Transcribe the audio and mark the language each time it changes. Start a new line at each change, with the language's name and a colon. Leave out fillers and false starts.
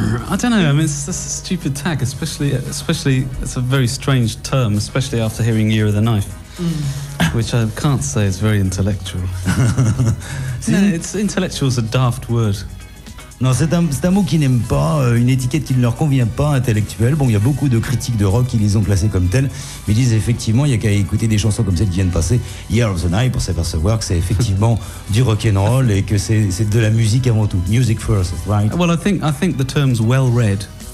English: I don't know. I mean, it's a stupid tag, especially it's a very strange term, especially after hearing Year of the Knife, which I can't say is very intellectual. intellectual is a daft word.
French: Non, c'est un mot qu'ils n'aiment pas, une étiquette qui ne leur convient pas, intellectuelle. Bon, il y a beaucoup de critiques de rock qui les ont classés comme tels, mais ils disent effectivement, il n'y a qu'à écouter des chansons comme celles qui viennent passer, Year of the Night, pour s'apercevoir que c'est effectivement du rock'n'roll et que c'est de la musique avant tout.
English: Music first, right? Well, I think the term's well read.